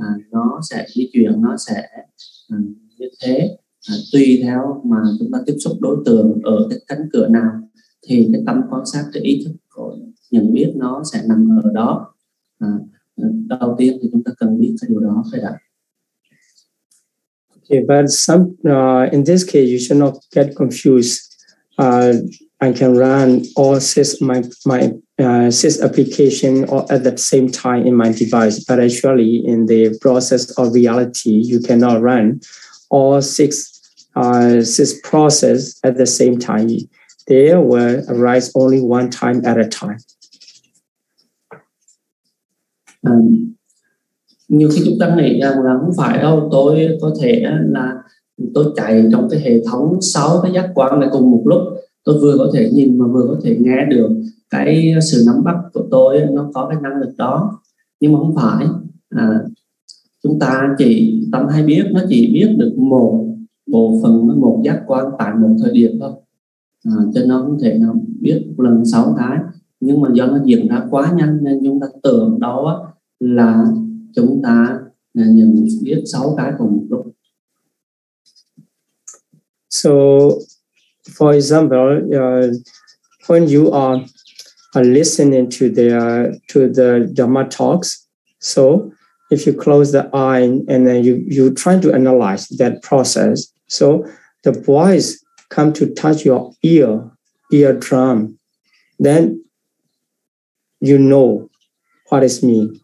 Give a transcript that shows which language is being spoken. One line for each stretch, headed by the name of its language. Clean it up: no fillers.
Vietnamese: Nó sẽ di chuyển, nó sẽ như thế, tùy theo mà chúng ta tiếp xúc đối tượng ở cái cánh cửa nào thì cái tâm quan sát, cái ý thức của nhận biết nó sẽ nằm ở đó. Đầu tiên thì chúng ta cần biết cái điều đó phải đã.
English: Okay, but in this case you should not get confused. I can run all six application or at the same time in my device, but actually in the process of reality you cannot run all six process at the same time. They will arise only one time at a time.
Vietnamese: Nhiều khi chúng ta nghĩ rằng là không phải đâu, tôi có thể là tôi chạy trong cái hệ thống 6 cái giác quan này cùng một lúc, tôi vừa có thể nhìn mà vừa có thể nghe được, cái sự nắm bắt của tôi nó có cái năng lực đó. Nhưng mà không phải, chúng ta chỉ tâm hay biết, nó chỉ biết được một bộ phận, một giác quan tại một thời điểm thôi, cho nên nó không thể nào biết lần 6 cái. Nhưng mà do nó diễn ra quá nhanh nên chúng ta tưởng đó là chúng ta nhận biết 6 cái cùng một lúc.
English: So, for example, when you are listening to the Dhamma talks, so if you close the eye and then you try to analyze that process, so the voice come to touch your eardrum, then you know what it means.